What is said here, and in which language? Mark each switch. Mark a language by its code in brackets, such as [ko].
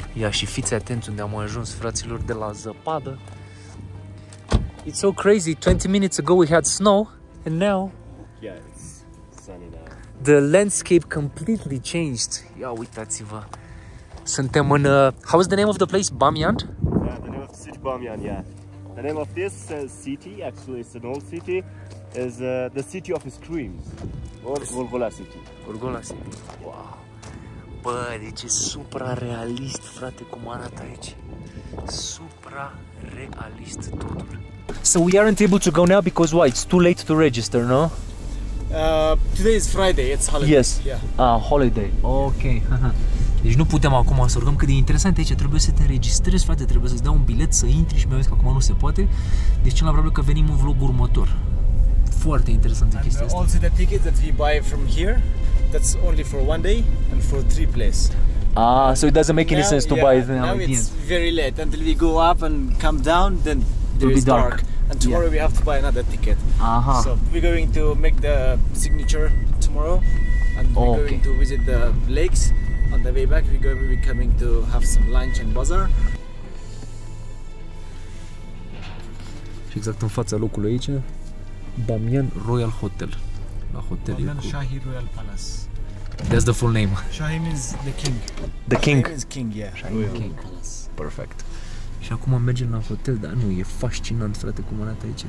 [ro] Și fiți atenți unde am ajuns, fraților, de la zăpadă. [en] It's so crazy, 20 minutes ago we had snow and now, yeah, it's sunny now. The landscape completely changed. [ro] Ia uitați-vă. Suntem în [en] how is the name of the place? Bamyan? Yeah, the name of the city Bamyan, yeah. The name of this city, actually it's an old city, is the city of screams. Gorgola City. Gorgola City. Wow. [ro] Bă, deci e supra-realist, frate, cum arată aici. Supra-realist totul. [en] So we aren't able to go now because why? It's too late to register, no? Today is Friday, it's holiday. Yes, yeah. Holiday. Ok. [ro] Deci nu putem acum să urcăm, cât de interesant aici. Trebuie să te înregistrezi, frate, trebuie să-ți dau un bilet să intri și mi-au zis că acum nu se poate. Deci cel mai probabil că venim în vlog următor. Foarte interesantă chestia asta. [en] And also the ticket that we buy from here. That's only for one day and for three places. Ah, so it doesn't make any sense to buy it now. Now it's very late. Until we go up and come down, then there is dark. And tomorrow we have to buy another ticket. Uh-huh. So we're going to make the signature tomorrow, and we're going to visit the lakes. On the way back, we're coming to have some lunch and bazaar. [ro] Și exact în fața locului aici, Bamyan Royal Hotel. La hotel [en] Bamyan Shahi Royal Palace. That's the full name. Shahi means the king. The king? Shahi means king, yeah. Shahi king. Palace. Perfect. [ro] Și acum mergem la hotel, dar nu, e fascinant, frate, cum arată aici.